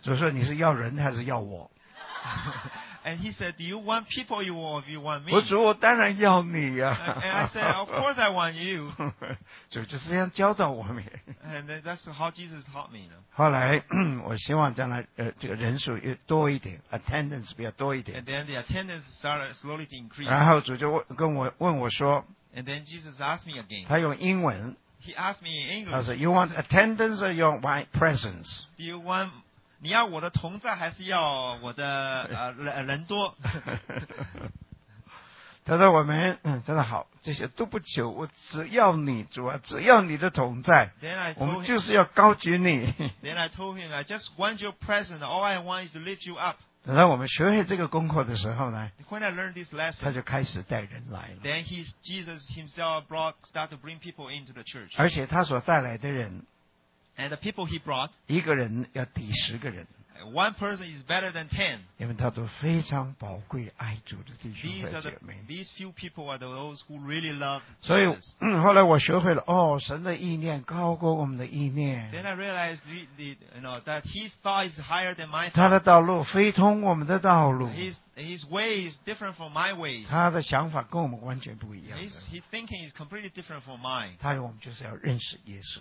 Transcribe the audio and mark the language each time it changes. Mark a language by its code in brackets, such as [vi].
[zh] 主说你是要人还是要我 [en] And he said, do you want people you want or do you want me? [zh] 我主我当然要你啊。 [en] And I said, of course I want you. [zh] 主就是这样教导我们。 [en] And that's how Jesus taught me. [zh] 后来我希望将来这个人数多一点 ,attendance 比较多一点。 [en] And then the attendance started slowly to increase. [zh] 然后主就问我说 [en] And then Jesus asked me again. [zh] 他用英文。 [en] He asked me in English. [zh] 他说 [en] you want attendance or you want my presence? Do you want... [zh] 你要我的同在还是要我的人多他说我们真的好这些都不求我只要你主啊只要你的同在 [en] him, [zh] 我们就是要高举你 [en] Then I told him I just want your presence All I want is to lift you up [zh] 等到我们学会这个功课的时候呢 [en] When I learned this lesson [zh] 他就开始带人来了 [en] Then Jesus himself brought start to bring people into the church [zh] 而且他所带来的人 [en] And the people he brought, [zh] 一个人要抵十个人 [en] One person is better than ten. [zh] 因为他都非常宝贵爱主的弟兄和姐妹 [en] These few people are those who really love us. [zh] 所以后来我学会了哦，神的意念高过我们的意念 [en] Then I realized that his thought is higher than my thought. [zh] 他的道路非通我们的道路 [en] His way is different from my ways. [zh] 他的想法跟我们完全不一样 [en] His thinking is completely different from mine. [zh] 他有我们就是要认识耶稣